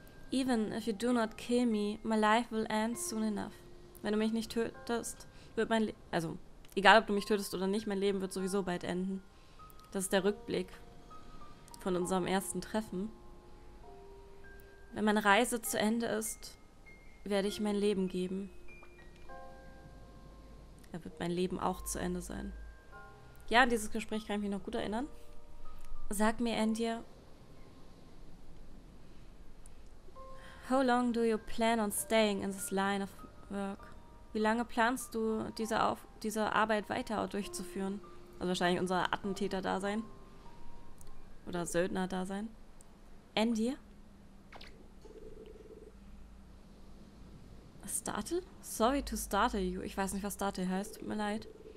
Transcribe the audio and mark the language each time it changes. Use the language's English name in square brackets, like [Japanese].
[English] Even if you do not kill me, my life will end soon enough. [German] Wenn du mich nicht tötest, wird mein Leben... Also, egal ob du mich tötest oder nicht, mein Leben wird sowieso bald enden. Das ist der Rückblick von unserem ersten Treffen. Wenn meine Reise zu Ende ist, werde ich mein Leben geben. Er wird mein Leben auch zu Ende sein. Ja, an dieses Gespräch kann ich mich noch gut erinnern. Sag mir, Andir. [English] How long do you plan on staying in this line of work? [German] Wie lange planst du, diese Arbeit weiter durchzuführen? Also wahrscheinlich unser Attentäter-Dasein. Oder Söldner-Dasein. Andir? [English] Startle? Sorry to startle you. [German] Ich weiß nicht, was startle heißt. Tut mir leid.